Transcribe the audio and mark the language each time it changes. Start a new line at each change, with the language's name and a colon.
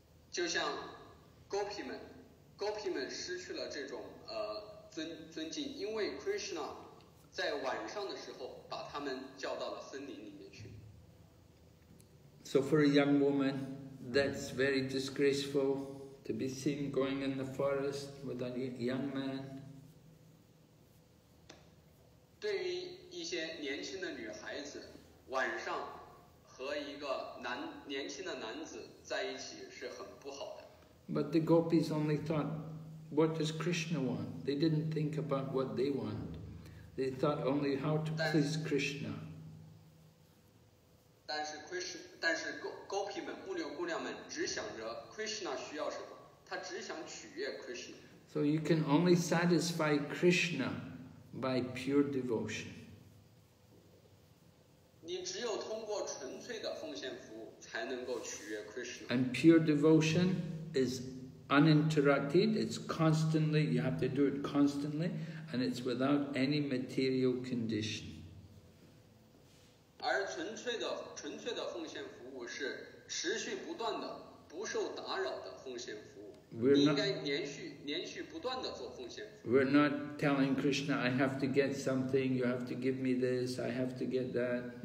Chinese: 就像 Gopi们失去了这种尊敬，因为 Krishna 在晚上的时候把他们叫到了森林里面去。
English: So for a young woman, that's very disgraceful. to be seen going in the forest with a young man.
Chinese: 对于一些年轻的女孩子，晚上和一个年轻的男子在一起是很不好的。
English: But the gopis only thought, what does Krishna want? They didn't think about what they want. They thought only how to please Krishna.
Chinese: 但是 gopi 们姑娘们只想着 Krishna 需要什么，她只想取悦 Krishna.
English: So you can only satisfy Krishna by pure devotion.
Chinese: 你只有通过纯粹的奉献服务才能够取悦 Krishna.
English: And pure devotion is uninterrupted, it's constantly, you have to do it constantly, and it's without any material condition.
Chinese: 而纯粹的奉献服务是持续不断的不受打扰的奉献服务。
English: We're
Chinese: 你应该连续不断的做奉献服务。
English: We're not telling Krishna, I have to get something, you have to give me this, I have to get that.